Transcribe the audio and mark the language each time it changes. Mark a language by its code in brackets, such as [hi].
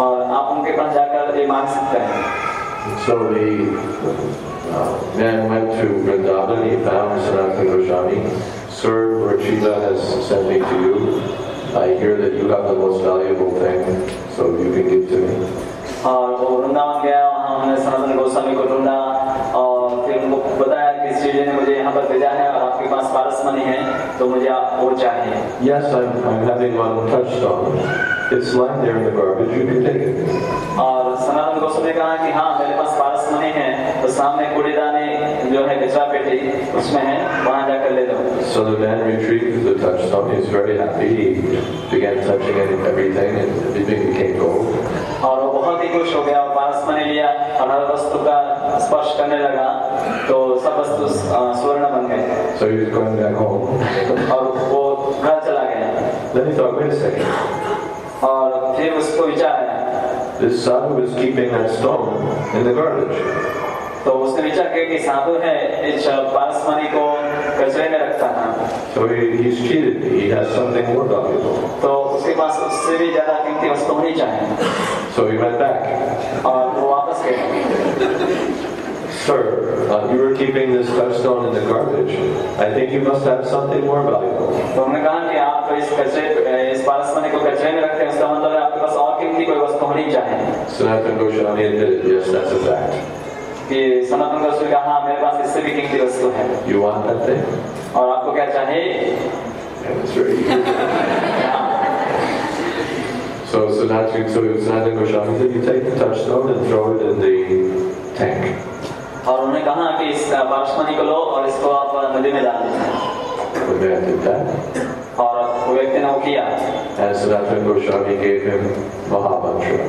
[hi] और आप उनके पास जाकर ये मांग सकते हैं. [en] So the man went to Vrindavan, he found Sanatan Goswami. Sir, Lord Shiva has sent me to you. I hear that you have the most valuable thing, so you can give to me. [hi] और वो वृंदावन गया, वहाँ उन्होंने सनातन गोस्वामी को ढूंढा और फिर उनको बताया कि श्री जी ने मुझे यहाँ पर भेजा है और आपके पास पारस मणि है तो मुझे आप और चाहिए. [en] Yes, I'm having one touchstone. It's lying there in the garbage, you can take it. [hi] और सनातन गोस्वामी कहा कि हाँ मेरे पास पारस मणि है तो सामने कूड़ेदानी जो है गिजरा पेटी उसमें है वहां जाकर ले लो. [en] So the man retrieved the touchstone. He was very happy. He began touching everything and it became gold. [hi] और वो बहुत ही खुश हो गया और पारस मणि लिया और हर वस्तु का स्पर्श करने लगा तो सब वस्तु स्वर्ण बन गए. [en] So he was going back home. [hi] और वो घर चला गया. [en] Then he thought, wait a second. [hi] और फिर उसको विचार आया. [en] This sadhu is keeping that stone in the garbage. [hi] तो उसने विचार किया कि साधु है इस पारस मणि को कचरे में रखता है. [en] So he's cheated. He has something more valuable. [hi] तो उसके पास उससे भी ज़्यादा कीमती वस्तु होनी चाहिए. [en] So he went back. [hi] और वो वापस गया. [en] Sir, you were keeping this touchstone in the garbage. I think you must have something more valuable. Sanatana Goswami admitted, yes, that's a fact. You want that thing? And what do you want? So Sanatana Goswami said, you take the touchstone and throw it in the tank. [hi] और उन्होंने कहा कि इस पारसमणि को लो और इसको आप नदी में डाल दीजिए. और वो व्यक्ति ने वो किया. [en] And Sanatan Goswami gave him Mahamantra.